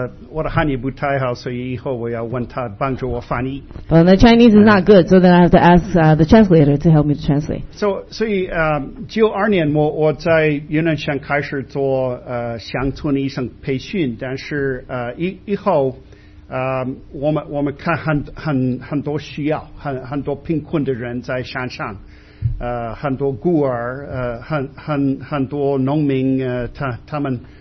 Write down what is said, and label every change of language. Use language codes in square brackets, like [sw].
[zh] 我的汉语不太好，所以以后我要问他帮助我翻译。 [en] But the Chinese is not good, so then I have to ask the translator to help me to translate. [zh] So, 92年我在云南省开始做乡村医生培训，但是以后我们看很多需要，很多贫困的人在山上，很多孤儿，很多农民，他们。